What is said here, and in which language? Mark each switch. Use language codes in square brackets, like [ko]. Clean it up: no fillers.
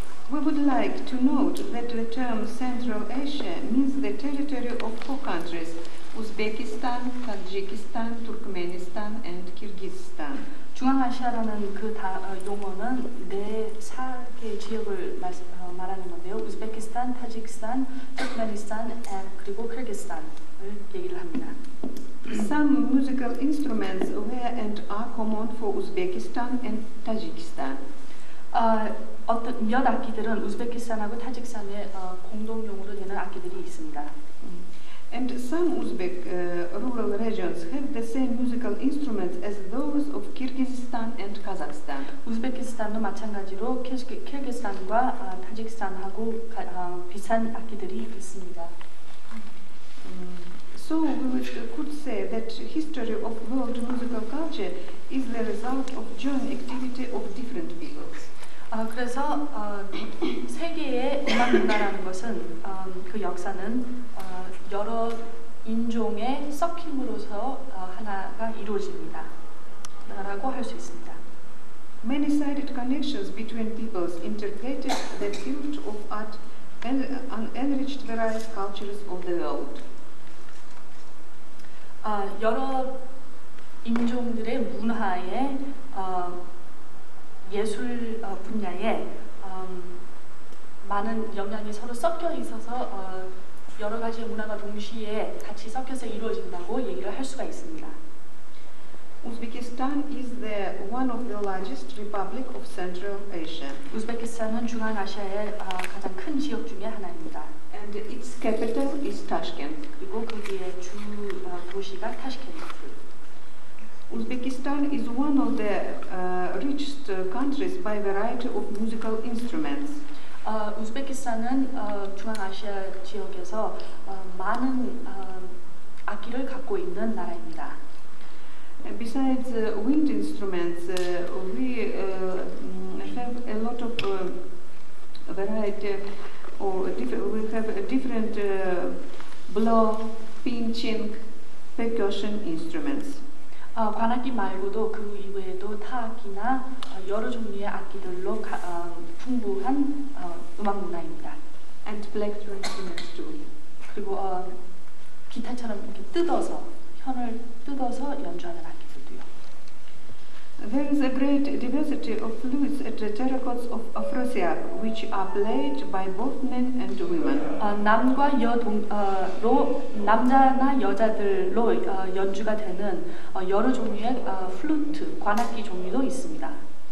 [en] We would like to note that the term Central Asia means the territory of four countries: Uzbekistan, Tajikistan, Turkmenistan, and Kyrgyzstan. [ko] 중앙아시아라는 그 용어는 네 4개 지역을 말하는 건데요. 우즈베키스탄, 타지키스탄, 투르크메니스탄, 그리고 키르기스탄을 얘기를 합니다. [en] Some musical instruments were and are common for Uzbekistan and Tajikistan. [ko] 어떤 몇 악기들은 우즈베키스탄하고 타지키스탄의 공동용으로 되는 악기들이 있습니다. [en] And some Uzbek rural regions have the same musical instruments as those of Kyrgyzstan and Kazakhstan. [ko] Uzbekistan도 마찬가지로 Kyrgyzstan과 Tajikistan하고 비슷한 악기들이 있습니다. [en] So we could say that history of world musical culture is the result of joint activity of different peoples. [ko] 그래서 세계의 음악 문화라는 것은 그 역사는 여러 인종의 섞임으로서 하나가 이루어집니다. 라고 할 수 있습니다. [en] Many sided connections between peoples integrated the field of art and enriched various cultures of the world. [ko] 여러 인종들의 문화에 예술 분야에 많은 영향이 서로 섞여 있어서 여러 가지 문화가 동시에 같이 섞여서 이루어진다고 얘기를 할 수가 있습니다. [en] Uzbekistan is the one of the largest republic of Central Asia. [ko] 우즈베키스탄은 중앙아시아의 가장 큰 지역 중에 하나입니다. [en] And its capital is Tashkent. [ko] 그리고 거기의 주 도시가 타슈켄트. [en] Uzbekistan is one of the richest countries by variety of musical instruments. [ko] 우즈베키스탄은 중앙아시아 지역에서 많은 악기를 갖고 있는 나라입니다. [en] Besides wind instruments, we have a lot of variety or we have a different blow, pinching, percussion instruments. [ko] 관악기 말고도 그 이외에도 타악기나 여러 종류의 악기들로 풍부한 음악 문화입니다. [en] And black instruments too. [ko] 그리고 기타처럼 이렇게 뜯어서 현을 뜯어서 연주하는 악기들도요. [en] There is a great diversity of flutes and terracots of Afrosiab, which are played by both men and women. [ko] 남과 여로 남자나 여자들로 연주가 되는 여러 종류의 플루트 관악기 종류도 있습니다.